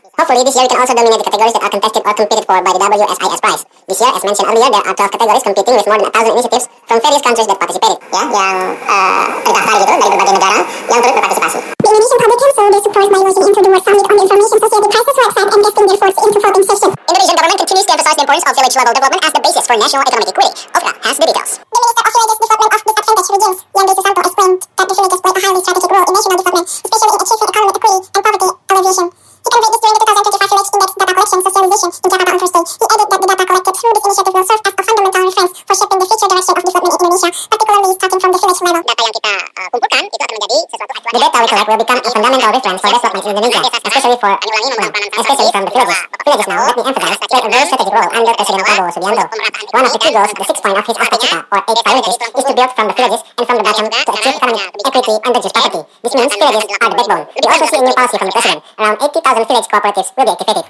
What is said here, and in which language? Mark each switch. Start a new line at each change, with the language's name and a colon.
English: Hopefully this year we can also dominate the categories that are contested or competed for by the WSIS prize. This year, as mentioned earlier, there are 12 categories competing with more than 1,000 initiatives from various countries that participated.
Indonesian: Ya, yang terdaftar gitu dari berbagai negara yang turut berpartisipasi.
English: The Indonesian Public Council, they support by launching into the World Summit on the Information Society Crisis website and getting their force into voting session. Indonesian government continues to emphasize the importance of village-level development as the basis for national economic equity. Ofra has the details. The Minister of Villages, Development of Disadvantaged Regions, Yandri Susanto, explained that the villages play a highly strategic role in national development, especially in achieving economic equity and poverty alleviation. He conveyed this during the 2025 Village Index Data Collection Socialization in Jakarta on Thursday. He added that the data collected through this initiative will serve as a fundamental reference for shaping the future direction of development in Indonesia, particularly starting from the village level.
Indonesian: Data yang kita kumpulkan itu akan menjadi sesuatu acuan.
English: The data we collect will become a fundamental reference for development in Indonesia, especially for especially from the villages. Villages now, let me emphasize, play a very strategic role under President Prabowo Subianto. One of the key goals, the 6 points of his Aspecita, or 8 priorities, is to build from the villages and from the bottom to achieve economic equity and reduce poverty. This means villages are the backbone. We also see a new policy from the president. Around 80,000 village cooperatives will be activated.